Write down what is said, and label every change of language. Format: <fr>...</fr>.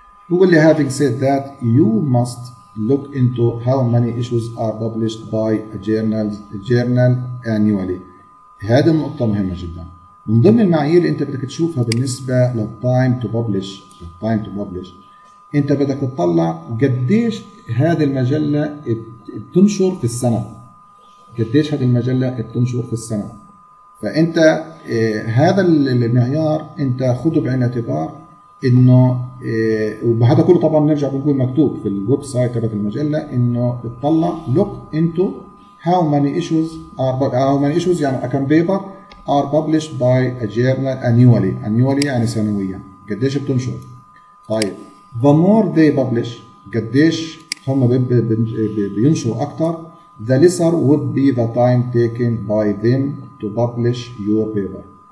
<ar>بقول لي</ar> <en>having said that you must look into how many issues are published by a journal annually.</en> <ar>هذه النقطة مهمة جدا. من ضمن المعايير اللي انت بدك تشوفها بالنسبة للتايم تو ببلش، انت بدك تطلع قديش هذه المجلة بتنشر في السنة، قديش هذه المجلة بتنشر في السنة. فانت هذا المعيار انت خده بعين الاعتبار انه وبهذا كله طبعا نرجع بنقول مكتوب في الويب سايت تبعت المجلة انه تطلع</ar> <en>look into how many issues</en> <ar>يعني</ar> <en>a paper are published by a journal annually.</en> <ar>Annually يعني سنويا. قديش بتنشر؟ طيب</ar> <en>the more they publish،</en> <ar>قديش هم بينشروا أكثر،</ar> <en>the lesser would be the time taken by them to publish your paper.</en>